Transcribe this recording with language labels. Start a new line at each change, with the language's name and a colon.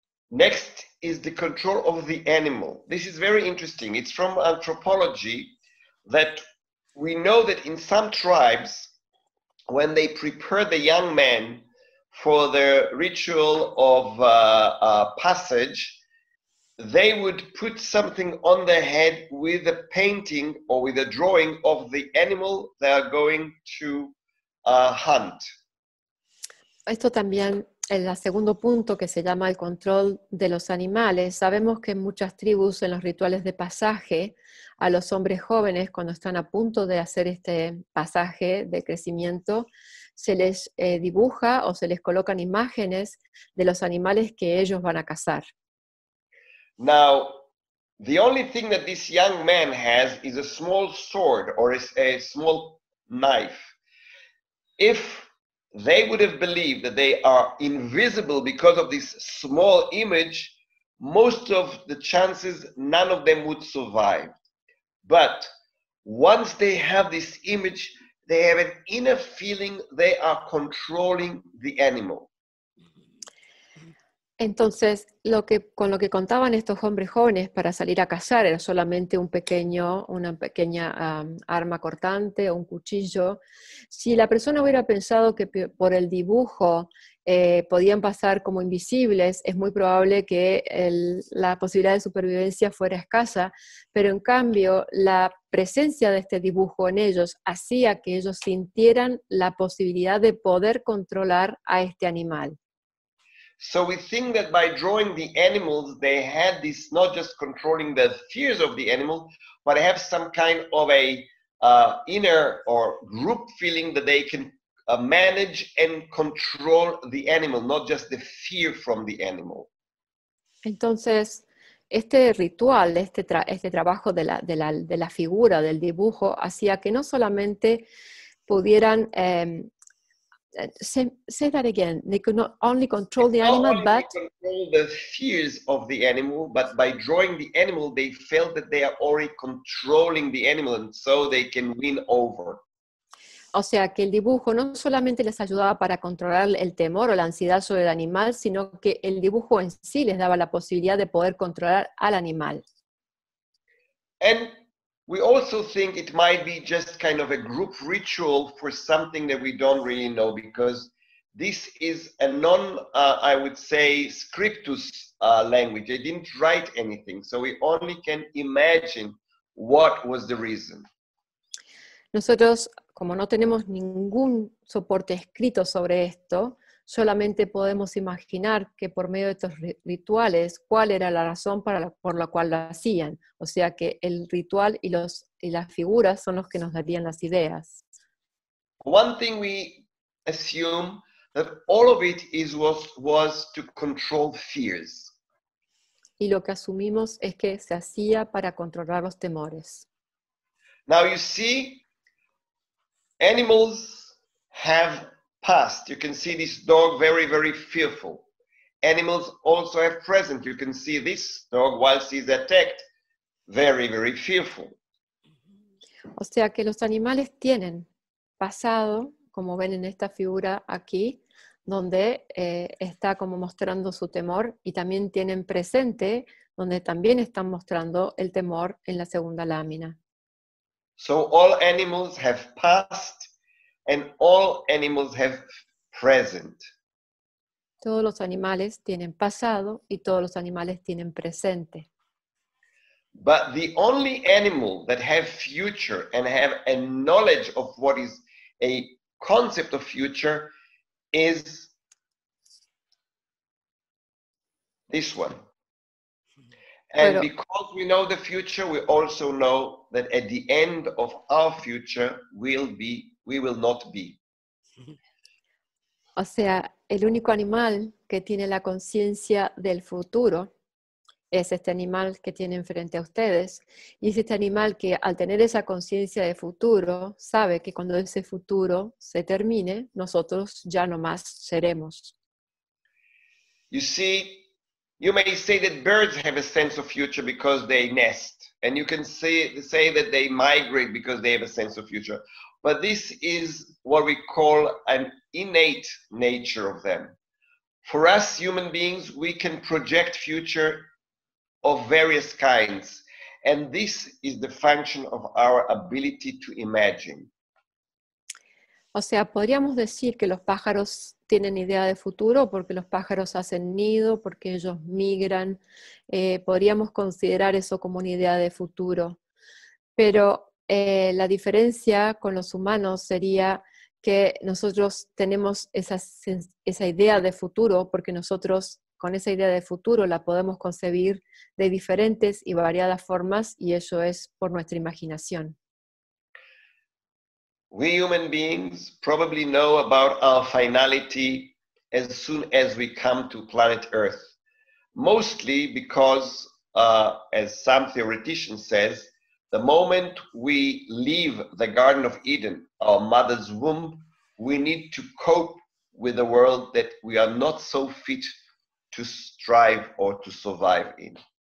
English: Next is the control of the animal. This is very interesting. It's from anthropology that we know that in some tribes, when they prepare the young men for their ritual of passage, they would put something on their head with a painting or with a drawing of the animal they are going to hunt.
Spanish: Esto también, el segundo punto que se llama el control de los animales, sabemos que en muchas tribus, en los rituales de pasaje, a los hombres jóvenes, cuando están a punto de hacer este pasaje de crecimiento, se les dibuja o se les colocan imágenes de los animales que ellos van a cazar.
English: Now, the only thing that this young man has is a small sword or a small knife. If they would have believed that they are invisible because of this small image, most of the chances, none of them would survive. But once they have this image, they have an inner feeling they are controlling the animal.
Spanish: Entonces, con lo que contaban estos hombres jóvenes para salir a cazar era solamente una pequeña arma cortante o un cuchillo. Si la persona hubiera pensado que por el dibujo podían pasar como invisibles, es muy probable que la posibilidad de supervivencia fuera escasa, pero en cambio la presencia de este dibujo en ellos hacía que ellos sintieran la posibilidad de poder controlar a este animal.
English: So we think that by drawing the animals, they had this not just controlling the fears of the animal, but have some kind of a inner or group feeling that they can manage and control the animal, not just the fear from the animal.
Spanish: Entonces, este ritual, este trabajo de la figura, del dibujo, hacía que no solamente pudieran...
English: Say that again. They could not only control the animal, but they control the fears of the animal. But by drawing the animal, they felt that they are already controlling the animal, and so they can win over.
Spanish: O sea, que el dibujo no solamente les ayudaba para controlar el temor o la ansiedad sobre el animal, sino que el dibujo en sí les daba la posibilidad de poder controlar al animal.
English: And we also think it might be just kind of a group ritual for something that we don't really know, because this is a non-scriptus language. They didn't write anything, so we only can imagine what was the reason.
Spanish: Nosotros, como no tenemos ningún soporte escrito sobre esto, solamente podemos imaginar que por medio de estos rituales, cuál era la razón por la cual lo hacían. O sea que el ritual y, los, y las figuras son los que nos darían las ideas.
English: One thing we assume that all of it is was to control fears.
Spanish: Y lo que asumimos es que se hacía para controlar los temores.
English: Now you see, animals have past. You can see this dog very, very fearful. Animals also have present. You can see this dog, whilst he's attacked, very, very fearful.
Spanish: O sea que los animales tienen pasado, como ven en esta figura aquí, donde está como mostrando su temor, y también tienen presente, donde también están mostrando el temor en la segunda lámina.
English: So all animals have past and all animals have present.
Spanish: Todos los animales tienen pasado y todos los animales tienen presente.
English: But the only animal that have future and have a knowledge of what is a concept of future is this one. And
Spanish: Pero,
English: because we know the future, we also know that at the end of our future we will not be.
Spanish: O sea, el único animal que tiene la conciencia del futuro es este animal que tienen frente a ustedes, y es este animal que al tener esa conciencia de futuro sabe que cuando ese futuro se termine, nosotros ya no más seremos.
English: You see, you may say that birds have a sense of future because they nest, and you can say that they migrate because they have a sense of future, but this is what we call an innate nature of them. For us human beings, we can project future of various kinds, and this is the function of our ability to imagine.
Spanish: O sea, podríamos decir que los pájaros tienen idea de futuro porque los pájaros hacen nido, porque ellos migran. Podríamos considerar eso como una idea de futuro. Pero la diferencia con los humanos sería que nosotros tenemos esa idea de futuro porque nosotros con esa idea de futuro la podemos concebir de diferentes y variadas formas, y eso es por nuestra imaginación.
English: We human beings probably know about our finality as soon as we come to planet Earth. Mostly because, as some theoretician says, the moment we leave the Garden of Eden, our mother's womb, we need to cope with a world that we are not so fit to strive or to survive in.